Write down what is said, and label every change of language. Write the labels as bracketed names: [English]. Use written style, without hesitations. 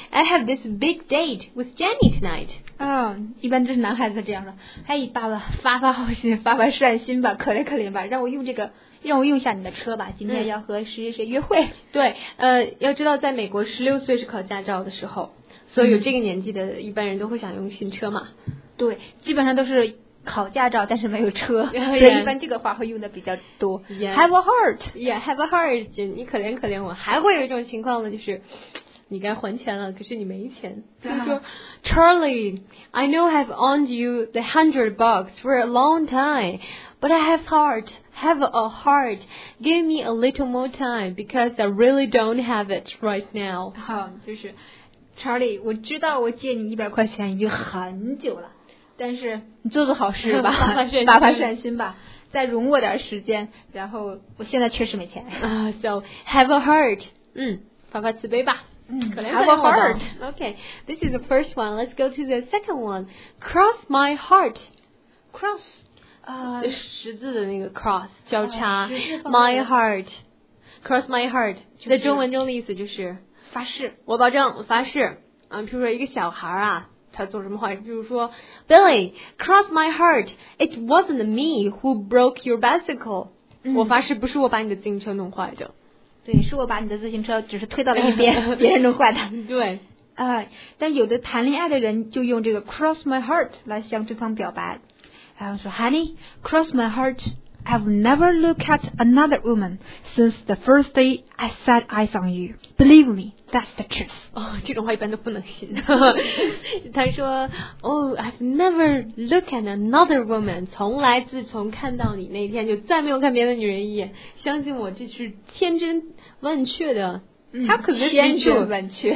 [English] I have this big date with Jenny tonight. [Chinese] 一般都是男孩子这样的。Hey, 爸爸发发好心，发发善心吧，可怜可怜吧，让我用下你的车吧，今天要和谁谁谁约会。对，要知道在美国16岁是考驾照的时候，所以有这个年纪的一般人都会想用新车嘛。对，基本上都是考驾照但是没有车、 [English] yeah. [Chinese] 所以一般这个话会用的比较多、 [English] yeah. Have a heart Yeah, have a heart [Chinese] 你可怜可怜我。还会有一种情况呢，就是你该还钱了可是你没钱、 uh-huh. [English] Charlie I know I've owned you the $100 for a long time But I have heart Have a heart Give me a little more time Because I really don't have it right now [Chinese] 好，就是 Charlie 我知道我借你100块钱已经很久了，但是你做做好事吧，发发善心吧，再容我点时间，然后我现在确实没钱。 [English] So have a heart，嗯， [Chinese] 发发慈悲吧。嗯 [English] ，Have a heart。 Okay， this is the first one. Let's go to the second one. Cross my heart. Cross， [Chinese] 十字的那个 cross 交叉。 [English] My heart， cross my heart、 [Chinese] 就是。在中文中的意思就是发誓，我保证，我发誓。嗯，比如说一个小孩啊。他做什么坏事，比如说 [English] Billy cross my heart it wasn't me who broke your bicycle、嗯、 [Chinese] 我发誓不是我把你的自行车弄坏的，对，是我把你的自行车只是推到了一边别人弄坏的，对、但有的谈恋爱的人就用这个 [English] cross my heart [Chinese] 来向对方表白，然后说 [English] Honey cross my heart I've never looked at another woman since the first day I set eyes on you. Believe me, that's the truth. [Chinese] 哦，这种话一般都不能信。他说 [English] ，Oh, I've never looked at another woman. [Chinese] 从来自从看到你那天，就再没有看别的女人一眼。相信我，这是千真万确的。 [English] How could this be true? [Chinese] 千真万确。